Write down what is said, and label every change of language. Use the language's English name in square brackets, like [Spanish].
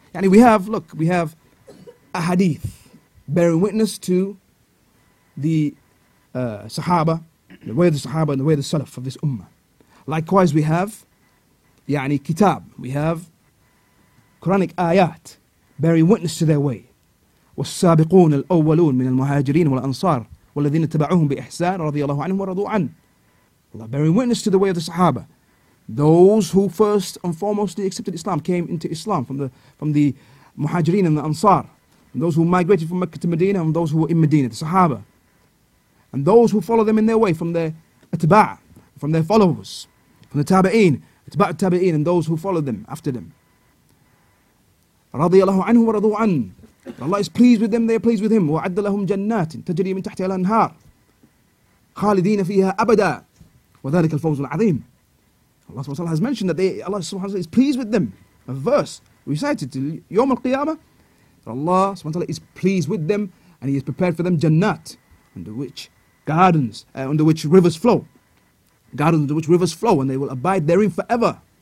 [English] يعني we have a hadith bearing witness to the Sahaba, the way of the Sahaba and the way of the Salaf of this Ummah. Likewise, we have يعني, Kitab. We have Quranic ayat bearing witness to their way. [Arabic] والسابقون الأولون من المهاجرين والأنصار والذين تبعوهم بإحسان رضي الله عنهم ورضوا عنه. [English] Allah bearing witness to the way of the Sahaba, those who first and foremostly accepted Islam, came into Islam from the Muhajirin and the Ansar, and those who migrated from Mecca to Medina, and those who were in Medina, the Sahaba, and those who follow them in their way, from their atba', from their followers, from the Tabi'in, atba' al-Tabi'in, and those who followed them after them. [Arabic] رضي الله عنه ورضوا عنه. [English] Allah is pleased with them; they are pleased with Him. [Arabic] وعد لهم جنات تجري من تحتها الأنهار خالدين فيها أبدا. وَذَلِكَ الْفَوْزُ الْعَظِيمُ. [English] Allah subhanahu wa ta'ala has mentioned that Allah subhanahu wa ta'ala is pleased with them. A verse recited to Yawm al-Qiyamah, that Allah subhanahu wa ta'ala is pleased with them and He has prepared for them Jannat, under which rivers flow, and they will abide therein forever.